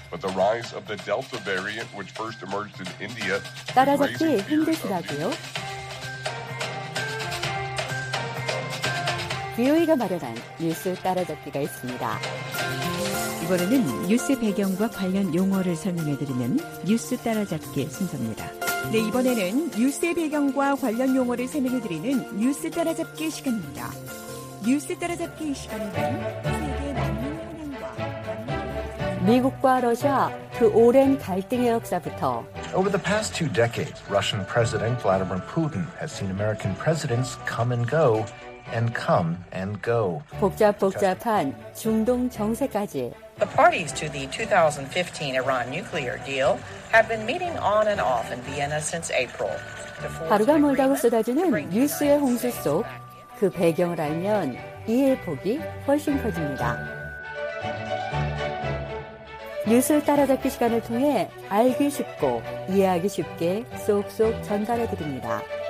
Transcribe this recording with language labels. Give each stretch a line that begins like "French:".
English: But the rise of the Delta variant, which first emerged in India,
Korean: 따라잡기 힘드시다고요? 뷰이가 마련한 뉴스 따라잡기가 있습니다. 이번에는 뉴스 배경과 관련 용어를 설명해드리는 뉴스 따라잡기 순서입니다. 네, 이번에는 뉴스의 배경과 관련 용어를 설명해드리는 뉴스 따라잡기 시간입니다. 뉴스 따라잡기 시간은 세계 난민 현황과 미국과 러시아 그 오랜 갈등의 역사부터
English: Over the past two decades, Russian President Vladimir Putin has seen American presidents come and go and come and go.
Korean: 복잡복잡한 중동 정세까지
English: The parties to the 2015 Iran nuclear deal have been meeting on and off in Vienna since April.
Korean: 하루가 멀다고 쏟아지는 뉴스의 홍수 속 그 배경을 알면 이해 폭이 훨씬 커집니다. 뉴스 따라잡기 시간을 통해 알기 쉽고 이해하기 쉽게 쏙쏙 전달해 드립니다.